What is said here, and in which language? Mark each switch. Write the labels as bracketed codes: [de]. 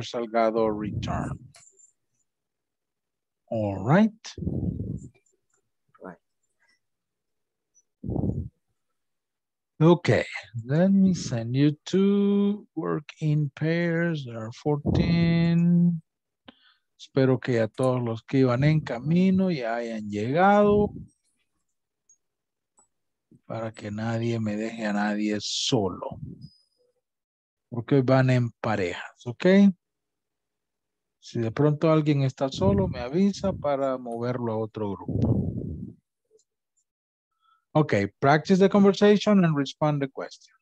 [en] Salgado return? All right. Okay, let me send you to work in pairs. There are 14. [es] Espero que a todos los que iban en camino ya hayan llegado. Para que nadie me deje a nadie solo. Porque van en parejas, okay? Si de pronto alguien está solo, me avisa para moverlo a otro grupo. [en] Okay, practice the conversation and respond the questions.